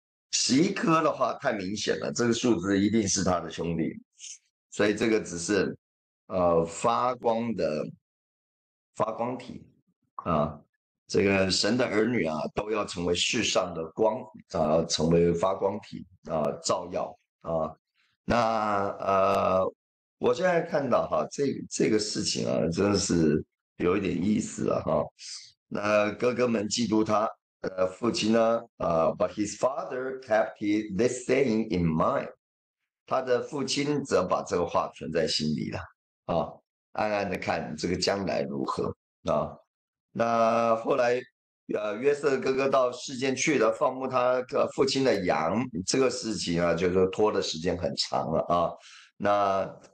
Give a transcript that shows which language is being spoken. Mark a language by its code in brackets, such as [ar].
[zh] 十一颗的话太明显了，这个数字一定是他的兄弟，所以这个只是发光的发光体啊，这个神的儿女啊都要成为世上的光啊，成为发光体啊，照耀啊。那我现在看到哈，这个事情啊，真的是有一点意思了哈。那哥哥们嫉妒他。父亲呢？ [en] But his father kept this saying in mind。 [zh] 他的父亲则把这个话存在心里了啊，暗暗的看这个将来如何啊。那后来，约瑟哥哥到世间去了，放牧他父亲的羊。这个事情啊，就是拖的时间很长了啊。